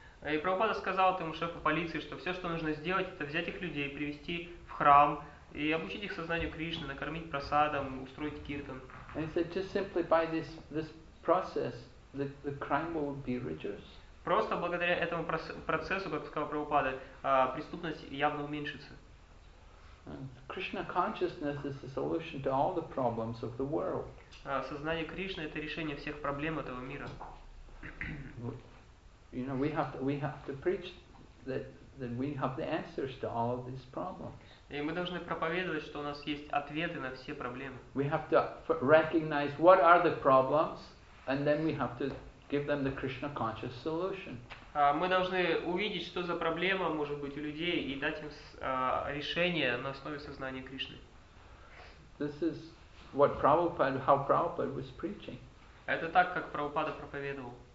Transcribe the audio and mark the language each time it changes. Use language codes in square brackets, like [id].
[ru] И Прабхупада сказал этому шефу полиции, что все, что нужно сделать, это взять их людей, привести в храм и обучить их сознанию Кришны, накормить прасадом, устроить киртан. [en] And he said, just simply by this process, the crime will be reduced. [ru] Просто благодаря этому процессу, как сказал Прабхупада, преступность явно уменьшится. [en] Krishna consciousness is the solution to all the problems of the world. [ru] Сознание Кришны это решение всех проблем этого мира. [en] You know, we have to preach that we have the answers to all of these problems. [ru] И мы должны проповедовать, что у нас есть ответы на все проблемы. [en] We have to recognize what are the problems, and then we have to give them the Krishna conscious solution. [ru] Мы должны увидеть, что за проблема может быть у людей, и дать им решение на основе сознания Кришны. [en] This is what Prabhupada, how Prabhupada was preaching. [ru] Это так, как Прабхупада проповедовал.